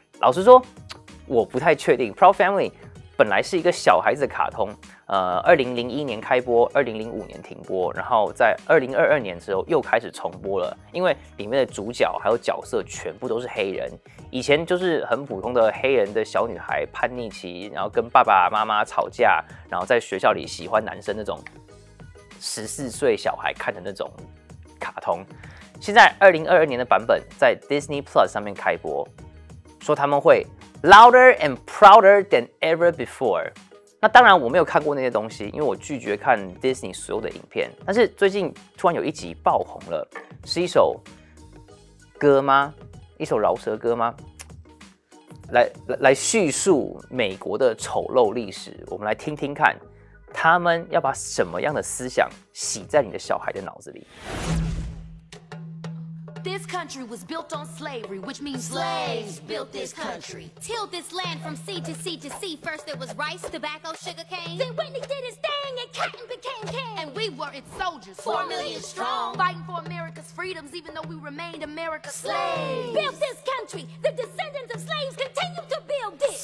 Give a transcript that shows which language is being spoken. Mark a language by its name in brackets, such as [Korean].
[Chinese] 老实说我不太确定， Proud Family 本来是一个小孩子的卡通，2001年开播，2005年停播，然后在2022年之后又开始重播了。因为里面的主角还有角色全部都是黑人，以前就是很普通的黑人的小女孩，叛逆期，然后跟爸爸妈妈吵架，然后在学校里喜欢男生，那种14岁小孩看的那种卡通。现在2022年的版本在 Disney Plus 上面开播，说他们会 [English] louder and prouder than ever before。 [Chinese] 那当然我没有看过那些东西，因为我拒绝看 Disney 所有的影片。但是最近突然有一集爆红了，是一首歌吗？一首饶舌歌吗？来叙述美国的丑陋历史，我们来听听看，他们要把什么样的思想洗在你的小孩的脑子里。 [English] This country was built on slavery, which means slaves built this country. Tilled this land from sea to sea to sea. First there was rice, tobacco, sugar cane. Then Whitney did his thing and cotton became king. And we were its soldiers, 4 million strong, fighting for America's freedoms, even though we remained America's slaves. Built this country, the descendants of slaves continue to build it.